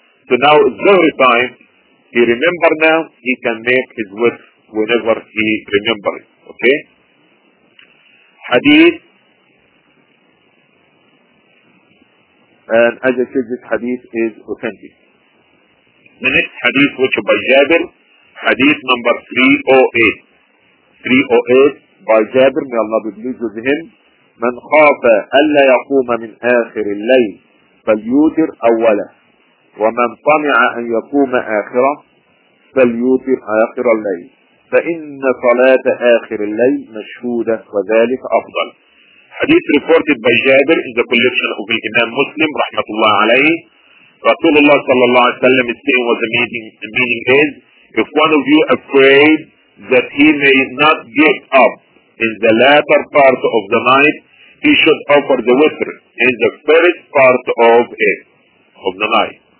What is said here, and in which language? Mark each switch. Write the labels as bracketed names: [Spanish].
[English] So now it's Zuhri time, he remember now, he can make his water whenever he remember it. Okay? Hadith. And as I said, this hadith is authentic. The next hadith, which is by Jabir, hadith number 308. By Jabir, may Allah be pleased with him. [Arabic] من خاف ألا يقوم من آخر الليل فليوتر أولا ومن طمع أن يقوم آخرا فليوتر آخر الليل فإن صلاة آخر الليل مشهودة وذلك أفضل. [English] Hadith reported by Jabir in the collection of Imam Muslim, rahmatullah alayhi. Rasulullah sallallahu alayhi wa sallam is saying what the meaning is, if one of you afraid that he may not get up in the latter part of the night, he should offer the witr in the first part of it, of the night.